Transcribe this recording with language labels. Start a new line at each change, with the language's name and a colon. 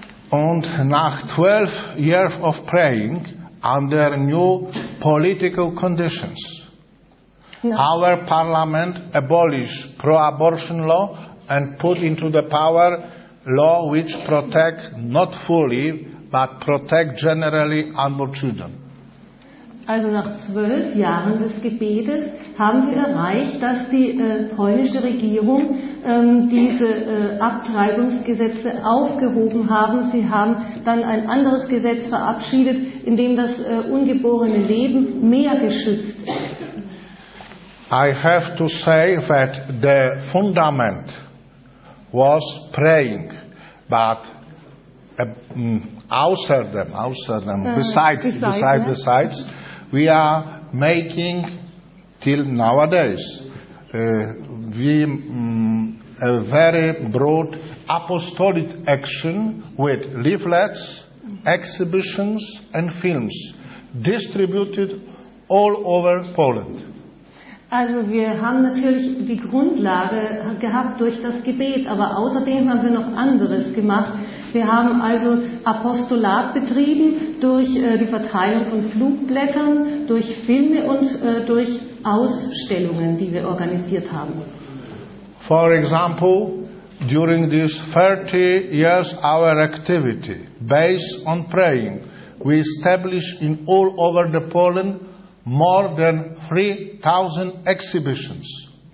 German: Und nach
English: 12 years of praying under new political conditions, our parliament abolished pro-abortion law and put into the power law which protect not fully, but protect generally unborn children.
German: Also nach 12 Jahren des Gebetes haben wir erreicht, dass die polnische Regierung diese Abtreibungsgesetze aufgehoben haben. Sie haben dann ein anderes Gesetz verabschiedet, in dem das ungeborene Leben mehr geschützt ist.
English: I have to say that the fundament was praying, but besides, we are making till nowadays a very broad apostolic action with leaflets, exhibitions and films distributed all over Poland.
German: Also wir haben natürlich die Grundlage gehabt durch das Gebet, aber außerdem haben wir noch anderes gemacht. Wir haben also Apostolat betrieben durch die Verteilung von Flugblättern, durch Filme und durch Ausstellungen, die wir organisiert haben.
English: For example, during this 30 years our activity based on praying, we established in all over the Poland more than 3,000 exhibitions.